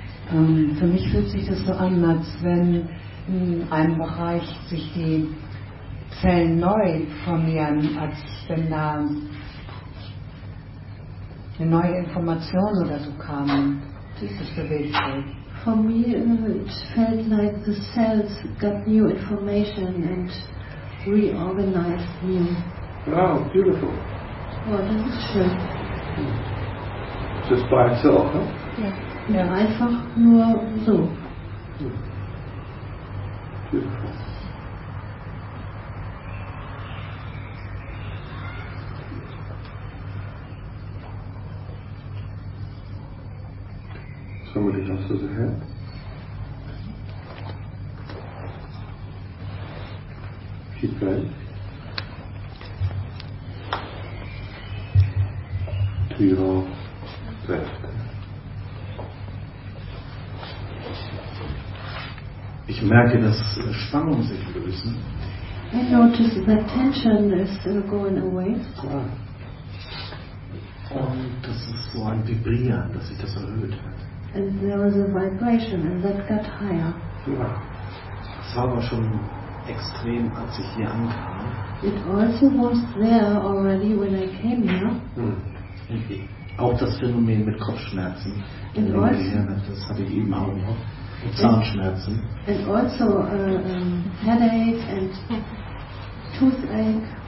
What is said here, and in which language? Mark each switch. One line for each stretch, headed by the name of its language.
German: Für mich fühlt sich das so an, als wenn in einem Bereich sich die Zellen neu formieren, als wenn da eine neue Information oder so kam, die sich bewegt hat.
English: For me, it felt like the cells got new information and reorganized me. Wow, beautiful. Oh, this is true. Just by itself, huh? Yeah. Yeah.
German: Einfach nur so.
English: Beautiful. Somebody else has a hand. Keep going. To your left.
German: Ich merke, dass Spannungen sich lösen.
English: I notice that tension is going away.
German: Und das ist so ein Vibrieren, dass sich das erhöht hat.
English: And there was a vibration and that got higher.
German: Ja. Das war aber schon extrem, als ich hier ankam.
English: It also was there already when I came here.
German: Okay. Auch das Phänomen mit Kopfschmerzen.
English: And in also,
German: das hatte ich eben auch noch. Zahnschmerzen.
English: And also headache and toothache.